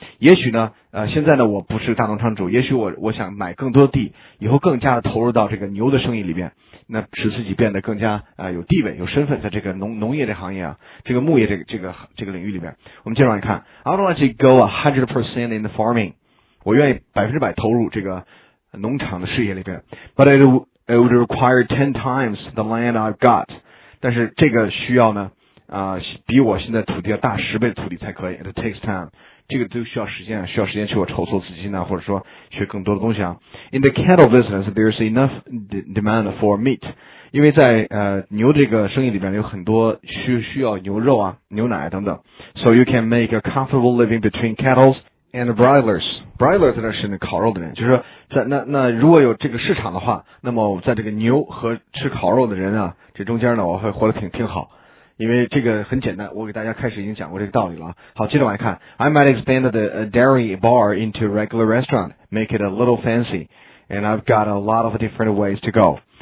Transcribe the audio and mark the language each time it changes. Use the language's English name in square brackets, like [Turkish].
[Chinese] 也许呢，现在呢，我不是大农场主，也许我想买更多地，以后更加的投入到这个牛的生意里面，那使自己变得更加有地位、有身份，在这个农业这行业啊，这个牧业这个领域里面。我们接着往下看。 [English] I would like to go 100% in the farming。 [Chinese] 我愿意100%投入这个农场的事业里边。 [English] But it would require 10 times the land I've got。 [Chinese] 但是这个需要呢，比我现在土地要大10倍的土地才可以。 [English] It takes time。 [Chinese] 这个都需要时间，需要时间去我筹措资金啊，或者说学更多的东西啊。 [English] In the cattle business, there's enough demand for meat. [Chinese] 因为在牛这个生意里面有很多需要牛肉啊、牛奶等等。 [English] So you can make a comfortable living between cattle and broilers. [Chinese] Broilers 那是烤肉的人，就是在那如果有这个市场的话，那么在这个牛和吃烤肉的人啊，这中间呢，我会活得挺好。因为这个很简单，我给大家开始已经讲过这个道理了。好，接着往下看。 [English] I might expand the dairy bar into a regular restaurant, make it a little fancy, and I've got a lot of different ways to go.